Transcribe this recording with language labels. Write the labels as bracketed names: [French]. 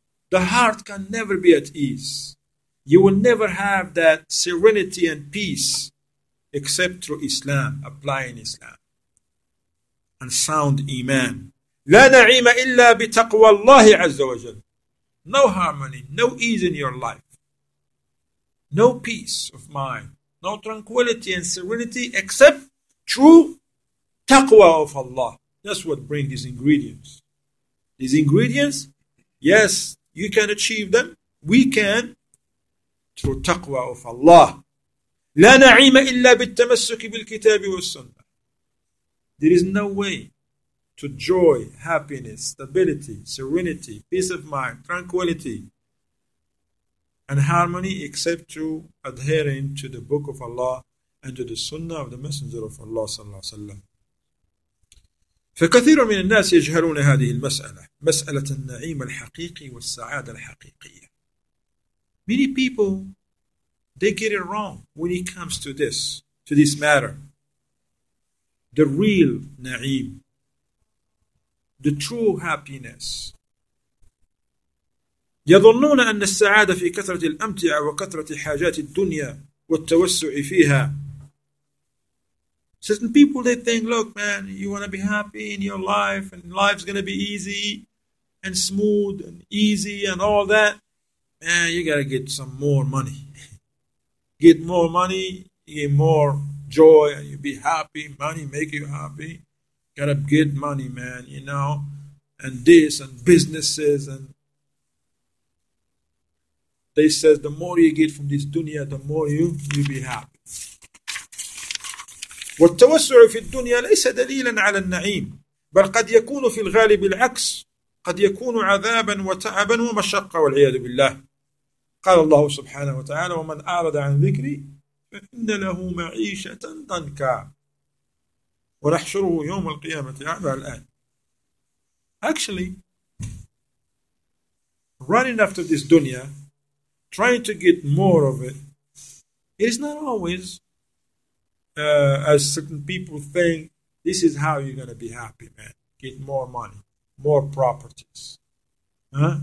[English] The heart can never be at ease. You will never have that serenity and peace except through Islam, applying Islam and sound iman. [Arabic] لا نعيم إلا بتقوى الله عز وجل. [English] No harmony, no ease in your life. No peace of mind, no tranquility and serenity except through taqwa of Allah. That's what brings these ingredients. These ingredients, yes, you can achieve them. We can through taqwa of Allah. [Arabic] لا نعيم إلا بالتمسك بالكتاب والسنة. [English] There is no way to joy, happiness, stability, serenity, peace of mind, tranquility, and harmony except through adhering to the Book of Allah and to the Sunnah of the Messenger of Allah صلى الله عليه وسلم. [Arabic] فكثير من الناس يجهلون هذه المسألة, مسألة النعيم الحقيقي والسعادة الحقيقية. [English] Many people, they get it wrong when it comes to this matter. The real na'im, the true happiness. [Arabic] يظنون أن السعادة في كثرة الأمتعة وكثرة حاجات الدنيا والتوسع فيها. [English] Certain people, they think, look, man, you want to be happy in your life and life's going to be easy and smooth and easy and all that. Man, you got to get some more money. Get more money, get more joy, and you'll be happy. Money make you happy. Got to get money, man, you know, and this and businesses. And they says the more you get from this dunya, the more you'll be happy. [Arabic] والتوسع في الدنيا ليس دليلا على النعيم بل قد يكون في الغالب العكس قد يكون عذابا وتعبا ومشقة والعياذ بالله قال الله سبحانه وتعالى ومن أعرض عن ذكري فإن له معيشة ضنكا ونحشره يوم القيامة أعمى الآن. [English] Actually, running after this dunya, trying to get more of it, is not always as certain people think, this is how you're going to be happy, man. Get more money, more properties. Huh?